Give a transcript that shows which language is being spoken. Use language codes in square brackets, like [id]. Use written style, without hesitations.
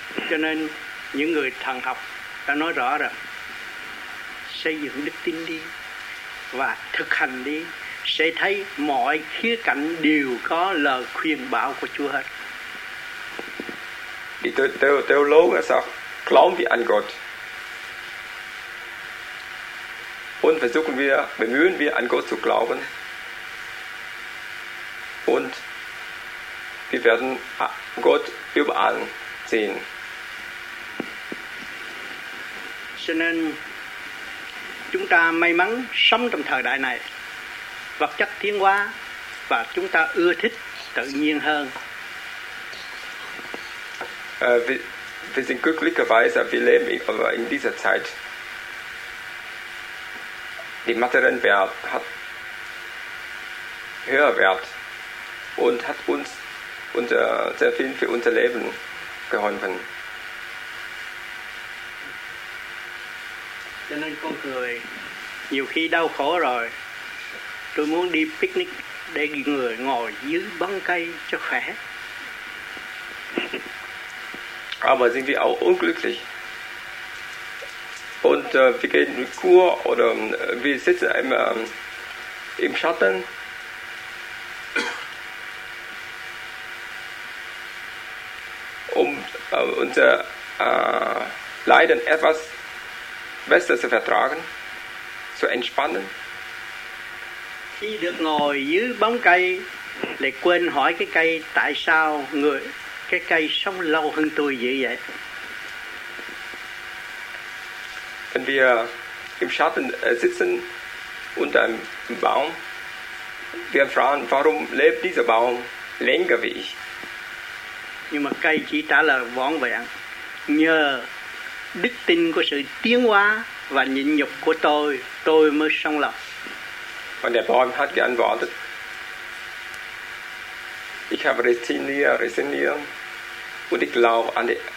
[vi] Cho nên những người thần học đã nói rõ rằng xây dựng đức tin đi và thực hành đi, sẽ thấy mọi khía cạnh đều có lời khuyên bảo của Chúa hết. [de] Die Theologen sagen, glauben wir an Gott und versuchen wir, bemühen wir an Gott zu glauben und wir werden Gott überall sehen. [vi] Cho nên chúng ta may mắn sống trong thời đại này, vật chất tiến hóa và chúng ta ưa thích tự nhiên hơn. [de] Wir sind glücklicherweise, wir leben in dieser Zeit. Die materielle Wert hat höher Wert und hat uns sehr viel für unser Leben geholfen. [vi] Cho nên con người nhiều khi đau khổ rồi, tôi muốn đi picnic để người ngồi dưới bóng cây cho khỏe. [de] Aber sind wir auch unglücklich? Und wir gehen in Kur oder wir sitzen im Schatten. Unser Leiden etwas besser zu vertragen, zu entspannen. [vi] Khi được ngồi dưới bóng cây lại quên hỏi cái cây tại sao người cái cây sống lâu hơn tôi dữ vậy. [de] Wenn wir im Schatten sitzen unter einem Baum, wir fragen, warum lebt dieser Baum länger wie ich? [vi] Nhưng mà cây chỉ trả lời vỏn vẹn nhờ đức tin của sự tiến hóa và nhịn nhục của tôi mới sống lâu. [de] Und der Baum hat geantwortet: Ich habe resigniert und ich glaube an die